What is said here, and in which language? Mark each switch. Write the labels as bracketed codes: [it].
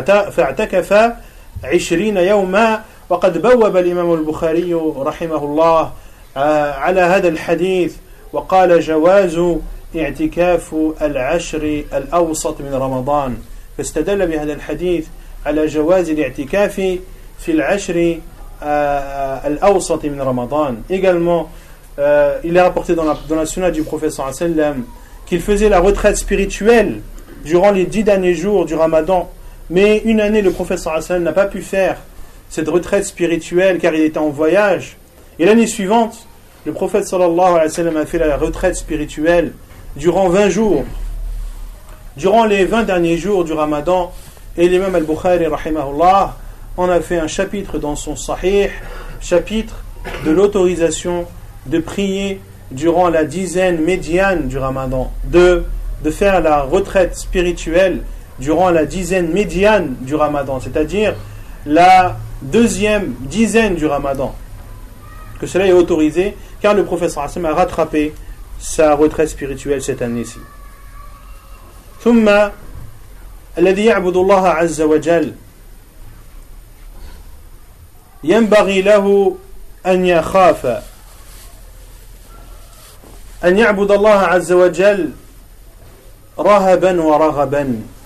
[ar] فاعتكف 20 يوما وقد بوب الإمام البخاري رحمه الله على هذا الحديث وقال جواز اعتكاف العشر الأوسط من رمضان فاستدل بهذا الحديث على جواز الاعتكاف في العشر الأوسط من رمضان [fr] également il est rapporté dans la sunnah du prophète صلى الله عليه وسلم qu'il faisait la retraite spirituelle durant les 10 derniers jours du ramadan. Mais une année, le prophète sallallahu alayhi wa sallam n'a pas pu faire cette retraite spirituelle car il était en voyage. Et l'année suivante, le prophète sallallahu alayhi wa sallam a fait la retraite spirituelle durant 20 jours. Durant les 20 derniers jours du ramadan, et l'imam al-Bukhari rahimahullah en a fait un chapitre dans son sahih, chapitre de l'autorisation de prier durant la dizaine médiane du ramadan, de faire la retraite spirituelle durant la dizaine médiane du ramadan, c'est-à-dire la deuxième dizaine du ramadan, que cela est autorisé, car le prophète sallallahu alayhi wa sallam a rattrapé sa retraite spirituelle cette année-ci. [ar] ثم الذي يعبد الله عز وجل ينبغي له أن يخاف أن يعبد الله عز وجل رهبا ورغبا